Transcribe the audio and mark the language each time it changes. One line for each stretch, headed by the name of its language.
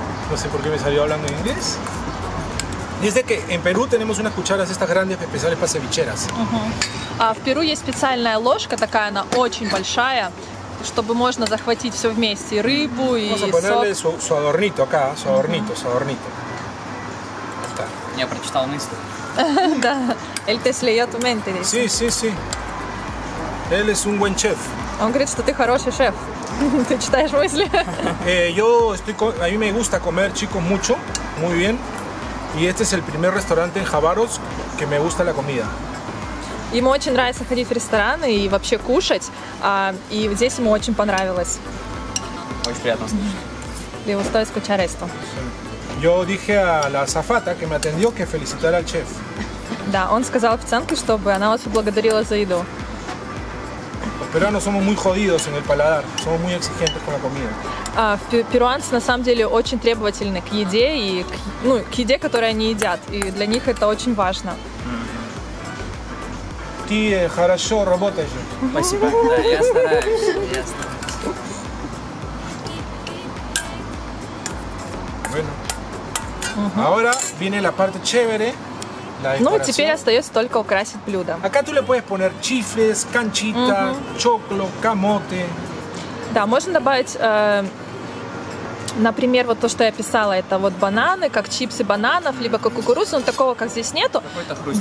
Spanish: No sé por qué me salió hablando en inglés. Dice que en Perú tenemos unas cucharas estas grandes especiales para cevicheras.
Russian: А в Перу есть специальная ложка такая, она очень большая, чтобы можно захватить все вместе, рыбу и сок.
Spanish: Vamos a ponerle su adornito acá, su adornito, su adornito.
Russian: Я прочитал мысли.
Spanish: Да, él te leyó tu mente. Sí, sí, sí. Él es un buen chef.
Russian: Он говорит, что ты хороший шеф. Ты читаешь мысли.
Spanish: A mí me gusta comer, chicos, mucho, muy bien. Y este es el primer restaurante en Хабаровск, que me gusta la comida.
Russian: Ему очень нравится ходить в рестораны и вообще кушать. И здесь ему очень понравилось. Очень приятно слышать.
Spanish: Le gustó escuchar esto. Yo dije a la azafata que me atendió que felicitara al chef.
Russian: Да, он сказал официантке, чтобы она вас поблагодарила за еду.
Spanish: Los peruanos somos muy jodidos en el paladar, somos muy exigentes con la comida.
Russian: Перуанцы на самом деле очень требовательны к еде и к еде, которую они едят, и для них это очень важно. Ты хорошо работаешь. Спасибо. Да, я стараюсь. Я стараюсь. Bueno.
Spanish: Ahora viene la parte chévere, la decoración.
Russian: Ну, теперь остается только украсить блюдо.
Spanish: Acá tú le puedes poner chifles, canchitas, choclo, camote.
Russian: Да, можно добавить, например, вот то, что я писала, это вот бананы, как чипсы бананов, либо как кукурузу, но такого, как здесь, нету. Какой-то хрустик.